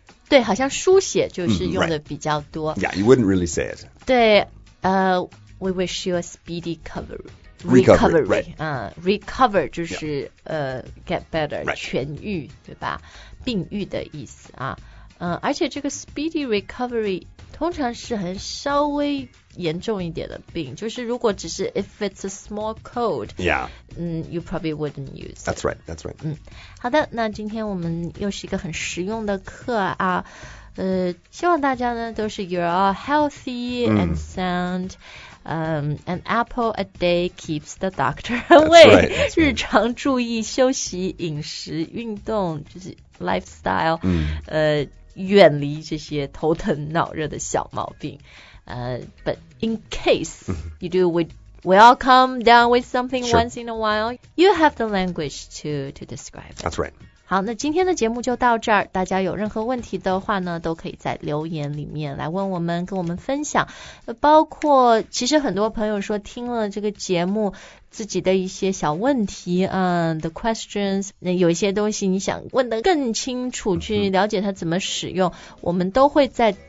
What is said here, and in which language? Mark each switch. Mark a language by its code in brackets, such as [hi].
[zh] 对好像书写就是用的比较多、 [en] right. Yeah, you wouldn't really say it 对、We wish you a speedy recovery Recovery, right、 [zh] Recover 就是、 [en] yeah. Get better、 right. [zh] 痊愈对吧病愈的意思啊、而且这个 speedy recovery 通常是很稍微严重一点的病就是如果只是 [en] If it's a small cold Yeah、 You probably wouldn't use That's right That's right、 [zh] 好的那今天我们又是一个很实用的课啊希望大家呢都是 [en] You're all healthy、 [zh] mm. [en] and sound、An apple a day keeps the doctor away That's right, that's right. [zh] 日常注意休息饮食运动就是 lifestyle、 mm. 远离这些头疼脑热的小毛病 [en] but in case you do, we all come down with something、 sure. once in a while. You have the language to describe. That's right. [zh] 好，那今天的节目就到这儿。大家有任何问题的话呢，都可以在留言里面来问我们，跟我们分享。包括其实很多朋友说听了这个节目，自己的一些小问题， [en] the questions， [zh] 那有一些东西你想问得更清楚，去了解它怎么使用，我们都会在。